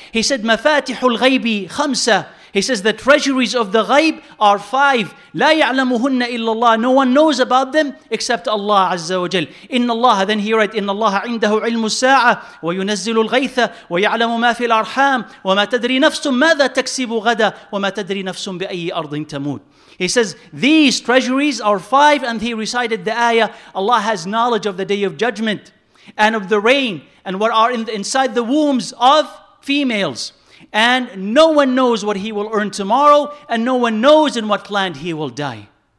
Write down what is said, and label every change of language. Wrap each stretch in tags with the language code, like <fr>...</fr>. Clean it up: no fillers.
<en>He said,</en> <ar>مَفَاتِحُ الْغَيْبِ خَمْسَة.</ar> <en>He says, the treasuries of the ghaib are five.</en> <ar>لَا يَعْلَمُهُنَّ إِلَّا اللَّهِ.</ar> <en>No one knows about them except Allah Azza wa Jal.</en> <ar>إِنَّ اللَّهَ.</ar> <en>Then he read,</en> <ar>إِنَّ اللَّهَ عِنْدَهُ عِلْمُ السَّاعَةِ وَيُنَزِّلُ الْغَيْثَ وَيَعْلَمُ مَا فِي الْأَرْحَامِ وَمَا تَدْرِي نَفْسٌ مَاذَا تَكْسِبُ غَدًا وَمَا تَدْرِي نَفْسٌ بِأَيِّ أَرْضٍ تَمُوتُ.</ar> <en>He says, these treasuries are five, and he recited the ayah, Allah has knowledge of the day of judgment and of the rain and what are inside the wombs of females. And no one knows what he will earn tomorrow, and no one knows in what land he will die.</en>